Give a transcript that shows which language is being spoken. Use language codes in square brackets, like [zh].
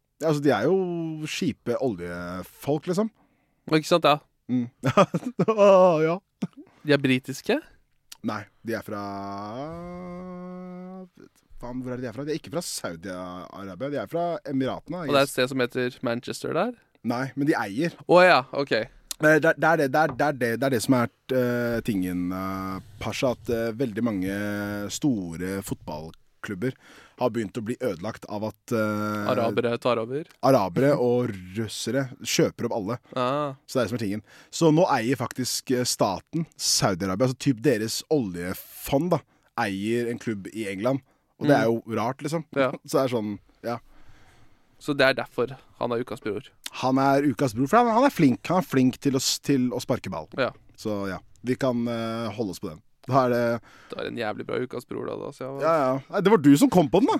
[sv] Ja, alltså de är ju skipe oljefolk liksom. Är det sant ja? Mm. ja. De är brittiska? Nej, de är från Fan, var är de från? De är inte från Saudiarabien, de är från Emiraterna. Och det är ett ställe som heter Manchester där? Nej, men de äger. Åh oh, ja, okej. [no] Det er det som er tingen, Pasha, at veldig mange store fotballklubber har begynt å bli ødelagt av at arabere tar over. Arabere og russere kjøper opp alle. Ah. Så det er det som er tingen. Så nå eier faktisk staten, Saudi-Arabia, altså typ deres oljefond da, eier en klubb i England. Og det er jo rart liksom. Ja. Så det er sånn, ja. Så det er derfor han er ukas bror. Han er ukas bror, for han er flink. Han er flink til å sparke ball. Ja. Så ja, vi kan holde oss på den. Da er det... Det er en jævlig bra ukas bror da, da. Så jeg var... Ja, ja. Nei, det var du som kom på den da.